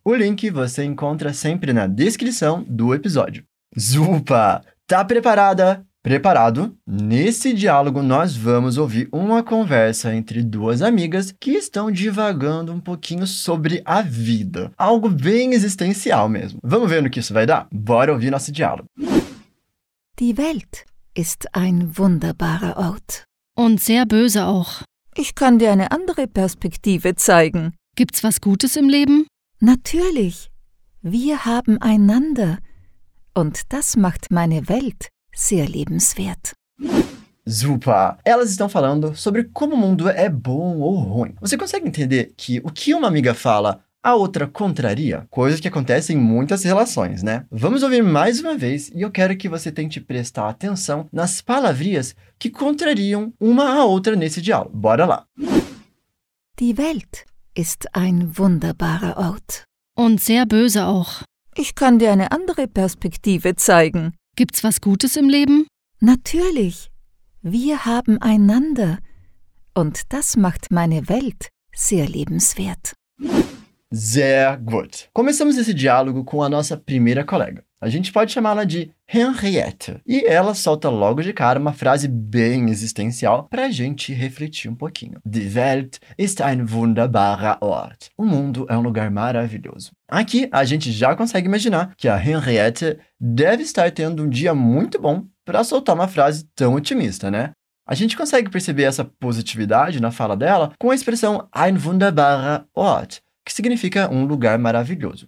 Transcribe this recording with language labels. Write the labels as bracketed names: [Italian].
[Portuguese] O link você encontra sempre na descrição do episódio. Zupa! Tá preparada? Preparado? Nesse diálogo, nós vamos ouvir uma conversa entre duas amigas que estão divagando um pouquinho sobre a vida. Algo bem existencial mesmo. Vamos ver no que isso vai dar? Bora ouvir nosso diálogo. [German] Die Welt ist ein wunderbarer Ort. Und sehr böse auch. Ich kann dir eine andere Perspektive zeigen. Gibt's was Gutes im Leben? Natürlich. Wir haben einander. Und das macht meine Welt sehr lebenswert. Super! [Portuguese] Elas estão falando sobre como o mundo é bom ou ruim. Você consegue entender que o que uma amiga fala, a outra contraria? Coisas que acontecem em muitas relações, né? Vamos ouvir mais uma vez e eu quero que você tente prestar atenção nas palavrinhas que contrariam uma à outra nesse diálogo. Bora lá! [German] Die Welt ist ein wunderbarer Ort. Und sehr böse auch. Ich kann dir eine andere Perspektive zeigen. Gibt's was Gutes im Leben? Natürlich. Wir haben einander. Und das macht meine Welt sehr lebenswert. Sehr gut. [Portuguese] Começamos esse diálogo com a nossa primeira colega. A gente pode chamá-la de Henriette. E ela solta logo de cara uma frase bem existencial para a gente refletir um pouquinho. [German] Die Welt ist ein wunderbarer Ort. [Portuguese] O mundo é um lugar maravilhoso. Aqui, a gente já consegue imaginar que a Henriette deve estar tendo um dia muito bom para soltar uma frase tão otimista, né? A gente consegue perceber essa positividade na fala dela com a expressão [German] ein wunderbarer Ort, [Portuguese] que significa um lugar maravilhoso.